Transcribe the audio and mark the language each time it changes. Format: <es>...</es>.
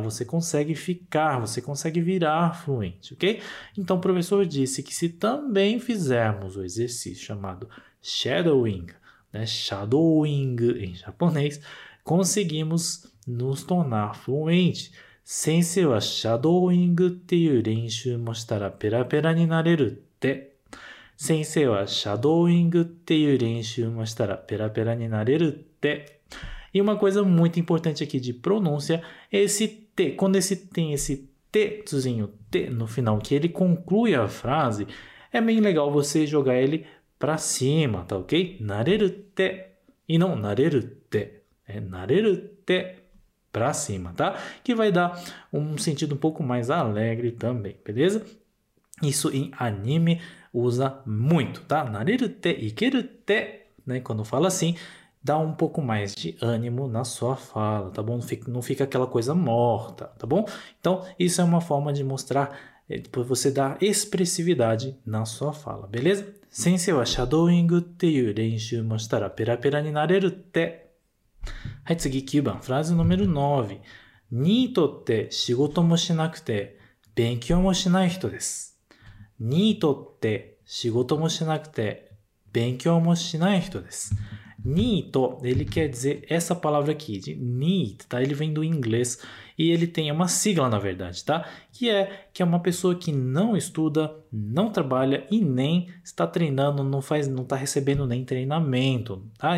<pt>Você consegue ficar, você consegue virar fluente, ok? Então, o professor disse que se também fizermos o exercício chamado shadowing, né? Shadowing em japonês, conseguimos nos tornar fluente.</pt> <ja>先生はシャドーイングっていう練習もしたらペラペラになれるって。先生はシャドーイングっていう練習もしたらペラペラになれるって。</ja> <pt>E uma coisa muito importante aqui de pronúncia, esse T, quando esse tem esse Tzinho T no final, que ele conclui a frase, é bem legal você jogar ele pra cima, tá ok? なれるって。E não なれるって。É なれるって。Pra cima, tá? Que vai dar um sentido um pouco mais alegre também, beleza? Isso em anime usa muito, tá? Nareru te, ikeru te, né? Quando fala assim, dá um pouco mais de ânimo na sua fala, tá bom? Não fica aquela coisa morta, tá bom? Então, isso é uma forma de mostrar, depois você dar expressividade na sua fala, beleza?</pt> <ja>Sensei wa shadowing te iu renshu moshitara pera pera ni nareru te. はい、次9番。フラーズ No. 9。ニートって仕事もしなくて勉強もしない人です。ニートって仕事もしなくて勉強もしない人です。</ja> <pt>ニート、ele quer dizer essa palavra aqui de need, tá? Ele vem do inglês e ele tem uma sigla, na verdade, tá? Que é uma pessoa que não estuda, não trabalha e nem está treinando, não faz, não está recebendo nem treinamento, tá?</pt>